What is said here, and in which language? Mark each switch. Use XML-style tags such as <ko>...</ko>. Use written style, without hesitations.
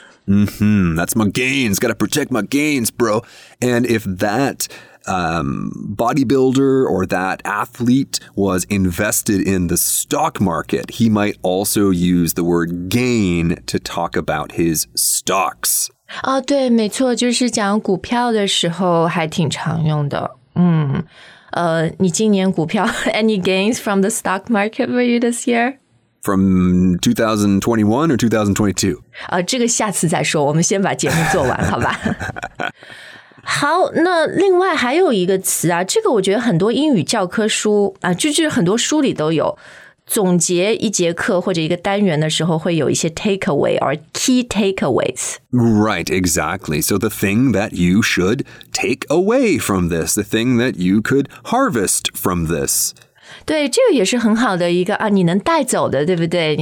<en>Mm-hmm. That's my gains. Gotta protect my gains, bro. And if that bodybuilder or that athlete was invested in the stock market, he might also use the word gain to talk about his stocks.</en> <zh>对，没错，就是讲股票的时候还挺常用的。你今年股票</zh> <en>any gains from the stock market for you this year? From 2021 or 2022?</en> <zh>这个下次再说，我们先把节目做完，好吧？好，那另外还有一个词啊，这个我觉得很多英语教科书啊，就是很多书里都有，总结一节课或者一个单元的时候会有一些</zh> <en>takeaway or key takeaways. Right, exactly. So the thing that you should take away from this, the thing that you could harvest from this.</en> <zh>对，这个也是很好的一个啊，你能带走的，对不对？</zh>